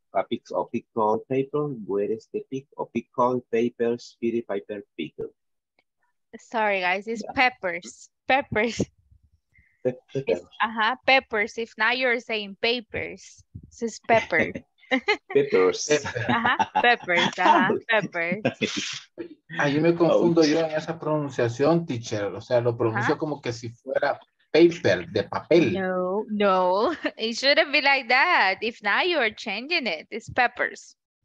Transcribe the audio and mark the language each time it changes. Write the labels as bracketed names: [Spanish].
[English] A pick of pickled paper, where is the pick of pickled papers, Peter Piper pickle? Sorry, guys, it's peppers. Peppers. Peppers. If now you're saying papers, so it's pepper. Peppers. Peppers. Peppers. [Spanish] Ahí me confundo yo en esa pronunciación, teacher. O sea, lo pronuncio como que si fuera. Paper, de papel. [English] No, it shouldn't be like that. If now you are changing it, it's peppers.